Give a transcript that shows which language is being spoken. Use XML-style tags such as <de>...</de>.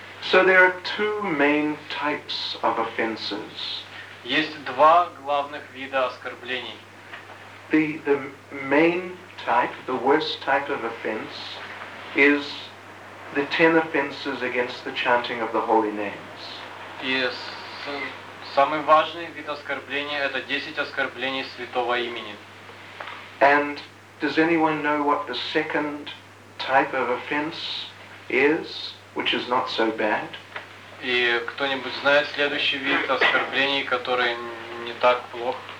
<en>So there are two main types of offenses.</en> <ru>Есть два главных вида оскорблений.</ru> <en>The main type, the worst type of offense, is the 10 offenses against the chanting of the holy names.</en> <ru>Yes, самый важный вид оскорбления это 10 оскорблений святого имени.</ru> <en>And does anyone know what the second type of offense is, which is not so bad?</en> <ru>И кто-нибудь знает следующий вид оскорблений, который не так плох?</ru>